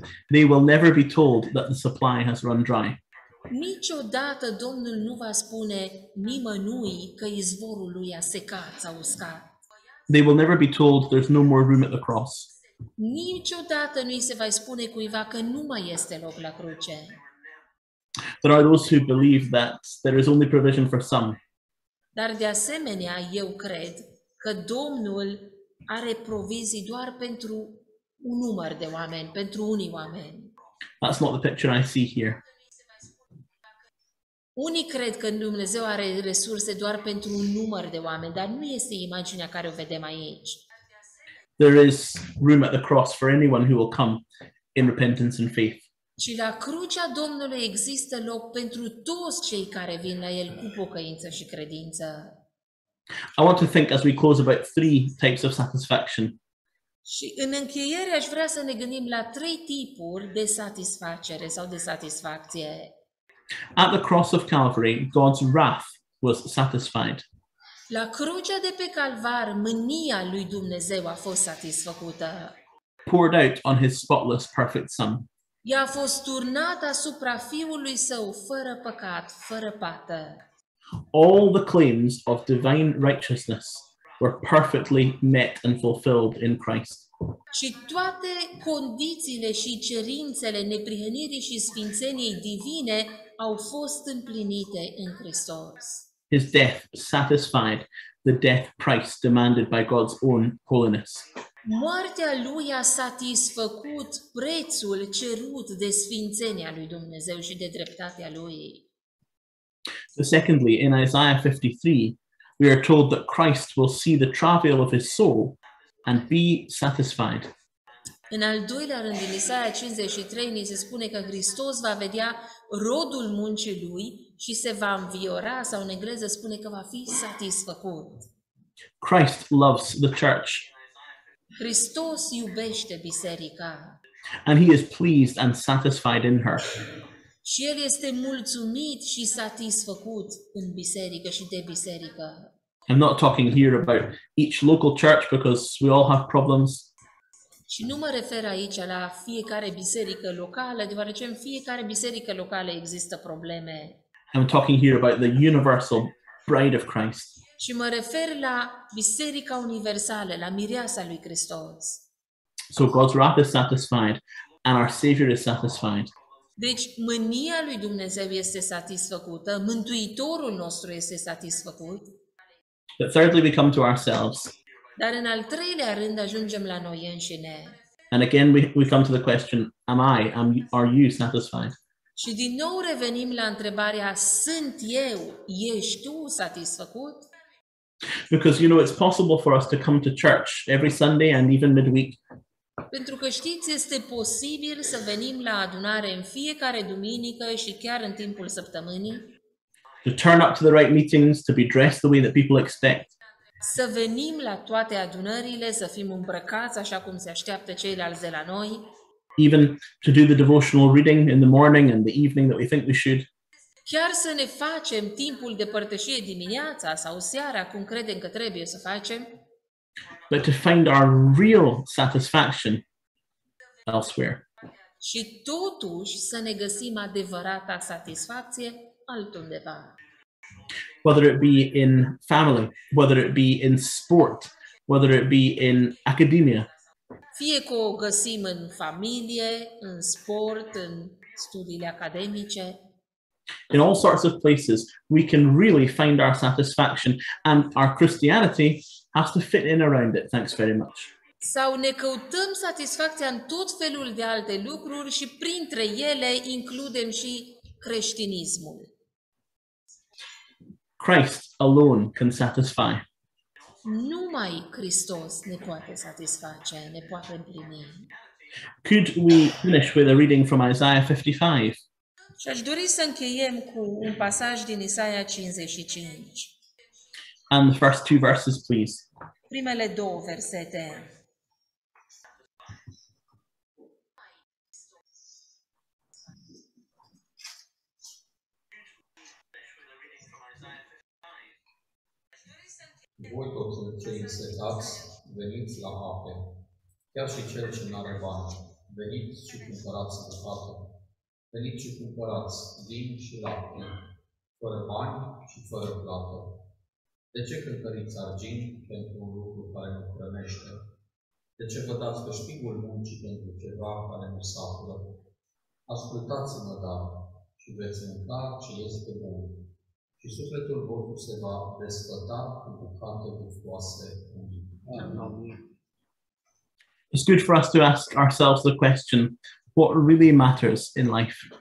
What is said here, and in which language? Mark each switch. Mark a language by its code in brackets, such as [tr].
[en] They will never be told that the supply has run dry. [ro] Niciodată Domnul nu va spune nimănui că izvorul lui a secat sau uscat. [en] They will never be told there's no more room at the cross. [ro] Niciodată nu-i se va spune cuiva că nu mai este loc la cruce. [en] There are those who believe that there is only provision for some. [ro] Dar de asemenea, eu cred că Domnul are provizii doar pentru un număr de oameni, pentru unii oameni. [en] That's not the picture I see here. [ro] Unii cred că Dumnezeu are resurse doar pentru un număr de oameni, dar nu este imaginea care o vedem aici. [en] There is room at the cross for anyone who will come in repentance and faith. [ro] Și la crucea Domnului există loc pentru toți cei care vin la El cu pocăință și credință. [en] I want to think as we close about three types of satisfaction. [ro] Și în încheiere aș vrea să ne gândim la trei tipuri de satisfacere sau de satisfacție. [en] At the cross of Calvary, God's wrath was satisfied. [ro] La crucea de pe Calvar, mânia lui Dumnezeu a fost satisfăcută. [en] Poured out on his spotless, perfect son. [ro] Ea a fost turnată asupra fiului său, fără păcat, fără pată. [en] All the claims of divine righteousness were perfectly met and fulfilled in Christ. [ro] Și toate condițiile și cerințele neprihănirii și sfințeniei divine au fost împlinite în Hristos. [en] His death satisfied the death price demanded by God's own holiness. [ro] Moartea lui a satisfăcut prețul cerut de sfințenia lui Dumnezeu și de dreptatea lui. [en] So secondly, in Isaiah 53, we are told that Christ will see the travail of his soul and be satisfied. [ro] În al doilea rând, în Isaia 53, ni se spune că Hristos va vedea rodul muncii lui și se va înviora, sau în engleză spune că va fi satisfăcut. [en] Christ loves the church. [ro] Hristos iubește biserica. [en] And he is pleased and satisfied in her. [ro] Și el este mulțumit și satisfăcut în biserică și de biserică. [en] I'm not talking here about each local church because we all have problems. [ro] Și nu mă refer aici la fiecare biserică locală, deoarece în fiecare biserică locală există probleme. [en] I'm talking here about the universal bride of Christ. [ro] Și mă refer la biserica universală, la mireasa lui Hristos. [en] So God's wrath is satisfied and our Savior is satisfied. [ro] Deci mânia lui Dumnezeu este satisfăcută, Mântuitorul nostru este satisfăcut. [en] But thirdly, we come to ourselves. [ro] Dar în al treilea rând ajungem la noi înșine. [en] And again we come to the question, are you satisfied? [ro] Și din nou revenim la întrebarea, sunt eu, ești tu satisfăcut? [en] Because you know it's possible for us to come to church every Sunday and even midweek. [ro] Pentru că știți, este posibil să venim la adunare în fiecare duminică și chiar în timpul săptămânii. [en] To turn up to the right meetings, to be dressed the way that people expect. [ro] Să venim la toate adunările, să fim îmbrăcați așa cum se așteaptă ceilalți de la noi. [en] Even to do the devotional reading in the morning and the evening that we think we should. [ro] Chiar să ne facem timpul de părtășie dimineața sau seara, cum credem că trebuie să facem. [en] But to find our real satisfaction elsewhere. [ro] Și totuși să ne găsim adevărata satisfacție altundeva. [en] Whether it be in family, whether it be in sport, whether it be in academia. [ro] Fie că o găsim în familie, în sport, în studiile academice. [en] In all sorts of places, we can really find our satisfaction, and our Christianity has to fit in around it. Thanks very much. [ro] Sau ne căutăm satisfacția în tot felul de alte lucruri și printre ele includem și creștinismul. [en] Christ alone can satisfy. [ro] Numai Hristos ne poate satisface, ne poate împlini. [en] Could we finish with a reading from Isaiah 55? [ro] Și aș dori să încheiem cu un pasaj din Isaia 55. [en] And the first two verses, please. [ro] Primele două versete. Voi toți cei însetați, veniți la ape, chiar și cel ce n-are bani, veniți și cumpărați de fapt. Veniți și cumpărați vin și lapte, fără bani și fără plată. De ce cântăriți argint pentru un lucru care nu hrănește? De ce vă dați pe șpigul muncii pentru ceva care nu satură? Ascultați-mă, dar, și veți învăța ce este bun. Și sufletul vostru se va desfăta cu bucate gustoase. Amen. [en] It's good for us to ask ourselves the question, what really matters in life?